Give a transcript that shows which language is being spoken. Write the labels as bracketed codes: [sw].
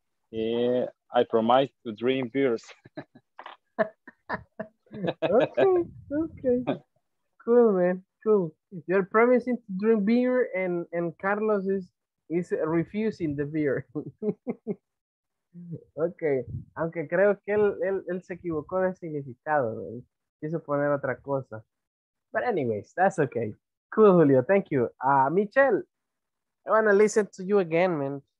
[en] Yeah, I promise to dream beers. Okay. Cool, man. Cool. You're promising to drink beer and Carlos is refusing the beer. Okay. [es] Aunque creo que él se equivocó de significado. Quiso poner otra cosa. [en] But anyways, that's okay. Cool, Julio. Thank you. Michelle, I want to listen to you again, man.